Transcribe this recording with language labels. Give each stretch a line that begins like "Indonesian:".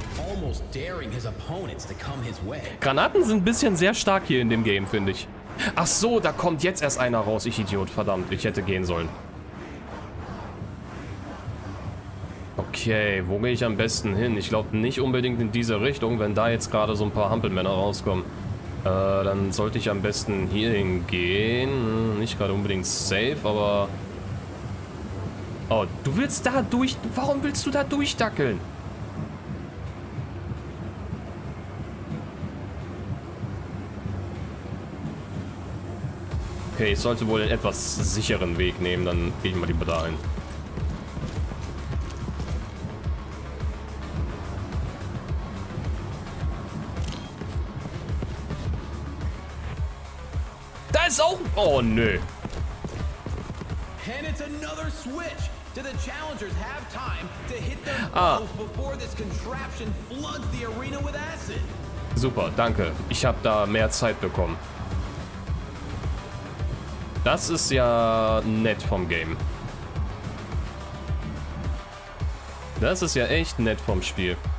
English: Almost daring his opponents to come his way.
German: Granaten sind ein bisschen sehr stark hier in dem Game, finde ich. Ach so, da kommt jetzt erst einer raus, ich Idiot, verdammt, ich hätte gehen sollen. Okay, wo gehe ich am besten hin? Ich glaube nicht unbedingt in diese Richtung, wenn da jetzt gerade so ein paar Hampelmänner rauskommen. Dann sollte ich am besten hier hingehen. Nicht gerade unbedingt safe, aber... Oh, du willst da durch... Warum willst du da durchdackeln? Okay, ich sollte wohl einen etwas sicheren Weg nehmen, dann gehe ich mal lieber da hin. Oh nö.
English: And it's another switch. Do the challengers have time to hit their balls before this contraption floods the arena with acid?
German: Super, danke. Ich habe da mehr Zeit bekommen. Das ist ja nett vom Game. Das ist ja echt nett vom Spiel.